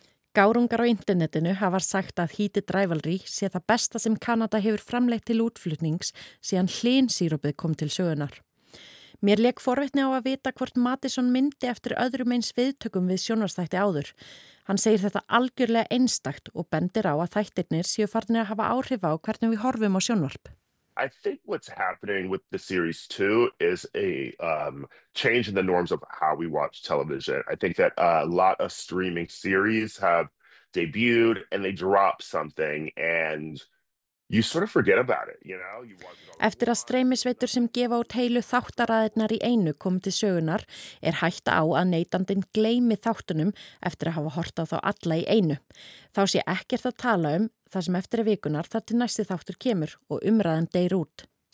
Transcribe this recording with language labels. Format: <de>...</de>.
<is>Gárungar á internetinu hafa sagt að Heated Rivalry sé það besta sem Kanada hefur framleitt til útflutnings síðan hlynsírópið kom til sögunar. Mér lék forvitni á að vita hvort Matheson myndi eftir öðrum eins viðtökum við sjónvarsþætti áður. Hann segir þetta algjörlega einstakt og bendir á að þættirnir séu farnir að hafa áhrif á hvernig við horfum á sjónvarp.</is> <en>I think what's happening with the series 2 is a change in the norms of how we watch television. I think that a lot of streaming series have debuted and they drop something and you sort of forget about it, you know? You</en> <is>Eftir að streymisveitur sem gefa út heilu þáttaraðirnar í einu komu til sögunar hætt á að neytandinn gleymi þáttunum eftir að hafa hort á þá alla í einu. Þá sé ekkert að tala það sem eftir vikunar þar til næsti þáttur kemur og umræðan deyr út.</is>